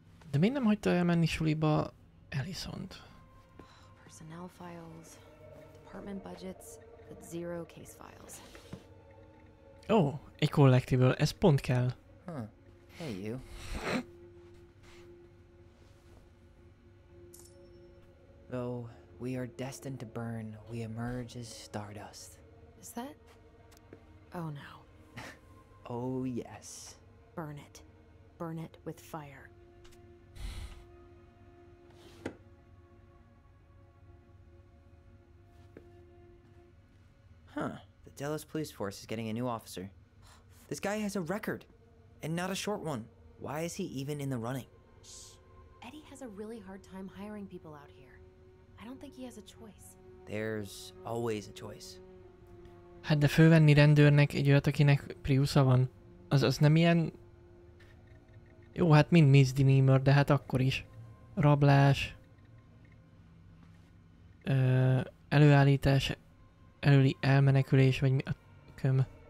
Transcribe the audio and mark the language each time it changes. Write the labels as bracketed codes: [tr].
[hu] De miért nem hagyta elmenni suliba Allisont? [en] Personnel files, department budgets, but zero case files. [hu] Ó, egy collectible, ez pont kell. [en] Huh. Hey you. Though we are destined to burn, we emerge as stardust. Is that? Oh no. Oh yes. Burn it. Burn it with fire. Huh. The Dallas police force is getting a new officer. This guy has a record, and not a short one. Why is he even in the running? Shh. Eddie has a really hard time hiring people out here. I don't think he has a choice. There's always a choice. [hu] Hát de fölvenni rendőrnek egy olyat, akinek Priusza van, az nem ilyen... Jó, hát mind misdemeanor, de hát akkor is. Rablás. Előállítás. Előli elmenekülés, vagy mi a köm.